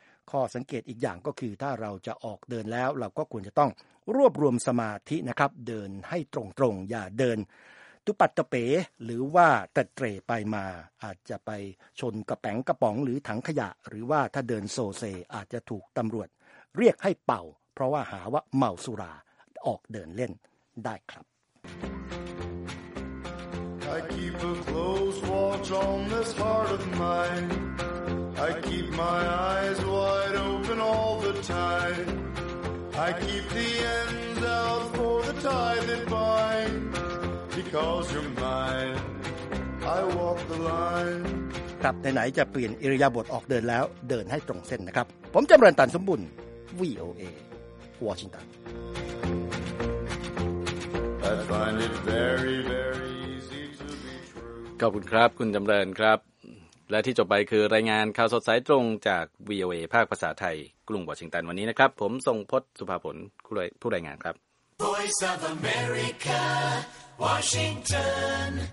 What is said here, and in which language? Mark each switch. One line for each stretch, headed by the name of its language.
Thai: ข้อสังเกตอีกอย่างก็คือถ้าเราจะออกเดินแล้วเราก็ควรจะต้องรวบรวมสมาธินะครับเดินให้ตรงๆอย่าเดินตุปัตตะเป๋หรือว่าตะเตร่ไปมาอาจจะไปชนกระแป๋งกระป๋องหรือถังขยะหรือว่าถ้าเดินโซเซอาจจะถูกตำรวจเรียกให้เป่าเพราะว่าหาว่าเมาสุราออกเดินเล่นได้ครับ
English: I keep a close watch on this heart of mine. I keep my eyes wide open all the time. I keep the ends out for the tie that binds. Because you're mine, I walk the line.
Thai: ครับไหนๆจะเปลี่ยนอิริยาบถออกเดินแล้วเดินให้ตรงเส้นนะครับผมจำเริญตันสมบุญ VOA Washington.
English: I find it very, very
Thai: ขอบคุณครับคุณจำเริญครับและที่จบไปคือรายงานข่าวสดสายตรงจาก VOA ภาคภาษาไทยกรุงวอชิงตันวันนี้นะครับผมทรงพจน์สุภาผลผู้รายงานครับ Voice of America Washington